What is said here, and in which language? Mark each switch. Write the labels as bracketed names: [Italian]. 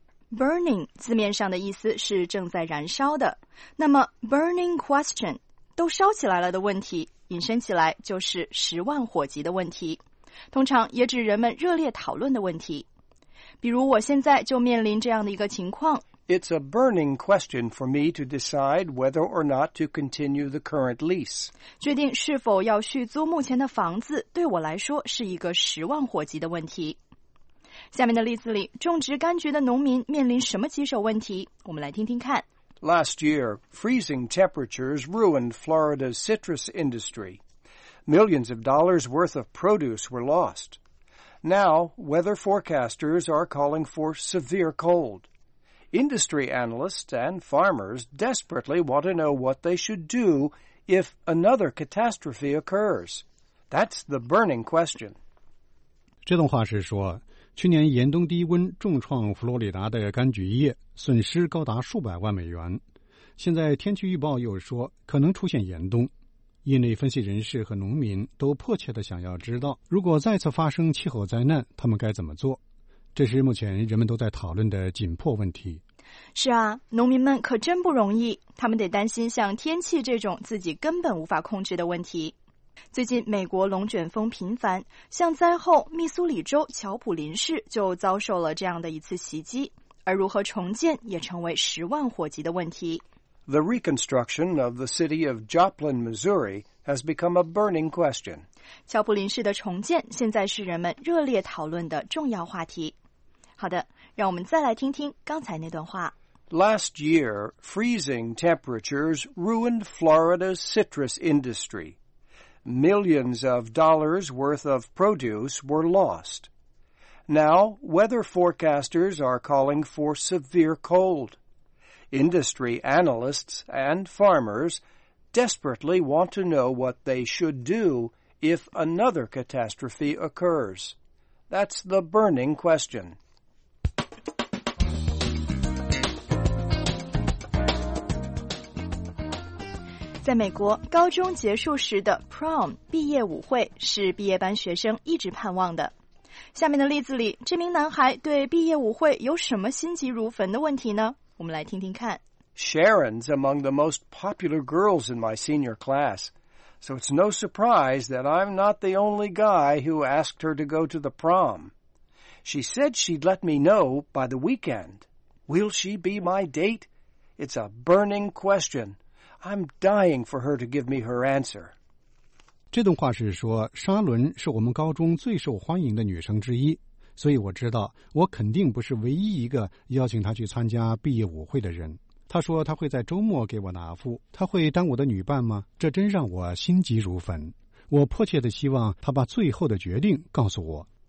[Chinese] Burning 字面上的意思是正在燃烧的，那么 burning question, 都烧起来了的问题，引申起来就是十万火急的问题，通常也指人们热烈讨论的问题。比如我现在就面临这样的一个情况。 [English] It's a burning question for me to decide whether or not to continue the current lease. [Chinese] 决定是否要续租目前的房子对我来说是一个十万火急的问题。下面的例子里，种植柑橘的农民面临什么棘手问题？我们来听听看。 [English] Last year, freezing temperatures ruined Florida's citrus industry. Millions of dollars worth of produce were lost. Now, weather forecasters are calling for severe cold. Industry analysts and farmers desperately want to know what they should do if another catastrophe occurs. That's the burning question. [Chinese] 这段话是说，去年严冬低温重创佛罗里达的柑橘业，损失高达数百万美元。现在天气预报又说可能出现严冬，业内分析人士和农民都迫切地想要知道，如果再次发生气候灾难，他们该怎么做。这是目前人们都在讨论的紧迫问题。是啊，农民们可真不容易，他们得担心像天气这种自己根本无法控制的问题。最近美国龙卷风频繁，像灾后密苏里州乔普林市就遭受了这样的一次袭击，而如何重建也成为十万火急的问题。 [English] The reconstruction of the city of Joplin, Missouri has become a burning question. [Chinese] 乔普林市的重建现在是人们热烈讨论的重要话题。好的，让我们再来听听刚才那段话。 [English] Last year, freezing temperatures ruined Florida's citrus industry. Millions of dollars worth of produce were lost. Now, weather forecasters are calling for severe cold. Industry analysts and farmers desperately want to know what they should do if another catastrophe occurs. That's the burning question. [Chinese] 在美国，高中结束时的 prom 毕业舞会是毕业班学生一直盼望的。下面的例子里，这名男孩对毕业舞会有什么心急如焚的问题呢？我们来听听看。 [English] Sharon's among the most popular girls in my senior class, so it's no surprise that I'm not the only guy who asked her to go to the prom. She said she'd let me know by the weekend. Will she be my date? It's a burning question. I'm dying for her to give me her answer. [Chinese] 这段话是说，沙伦是我们高中最受欢迎的女生之一，所以我知道我肯定不是唯一一个邀请她去参加毕业舞会的人。她说她会在周末给我答复，她会当我的女伴吗？这真让我心急如焚。我迫切地希望她把最后的决定告诉我。